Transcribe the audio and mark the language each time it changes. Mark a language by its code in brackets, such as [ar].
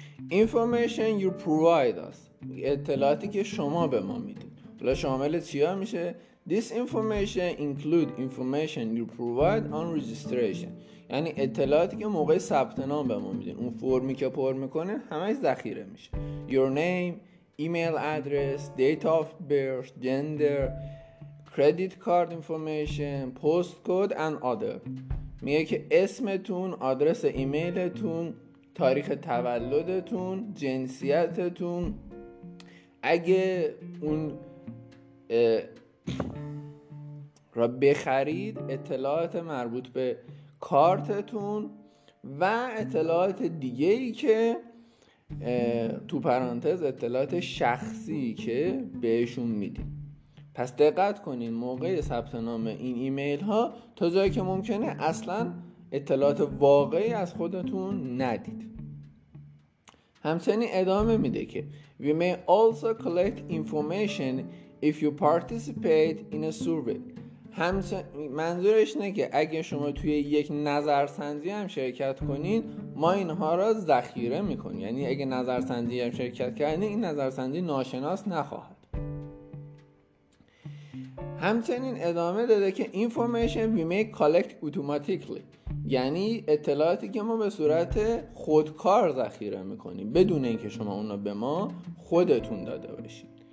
[en] Information you provide us، [fa] اطلاعاتی که شما به ما میدید. حالا شامل چیا میشه؟ [en] This information include information you provide on registration، [fa] یعنی اطلاعاتی که موقع ثبت نام به ما میدید، اون فرمی که پر میکنه همه ذخیره میشه. [en] Your name, email address, date of birth, gender, credit card information, postcode and other. [fa] میگه که اسمتون، آدرس ایمیلتون، تاریخ تولدتون، جنسیتتون، اگه اون را بخرید، اطلاعات مربوط به کارتتون و اطلاعات دیگه‌ای که تو پرانتز اطلاعات شخصی که بهشون میدید. پس دقت کنین موقع ثبت نام این ایمیل ها تا جایی که ممکنه اصلا اطلاعات واقعی از خودتون ندید. همچنین ادامه میده که [en] We may also collect information if you participate in a survey. [fa] منظورش اینه که اگه شما توی یک نظرسنجی هم شرکت کنین، ما اینها را ذخیره میکنیم. یعنی اگه نظرسنجی هم شرکت کردین، این نظرسنجی ناشناس نخواهد. همچنین ادامه داده که [en] Information we may collect automatically، [fa] یعنی اطلاعاتی که ما به صورت خودکار ذخیره میکنیم بدون اینکه شما اونو به ما خودتون داده باشید.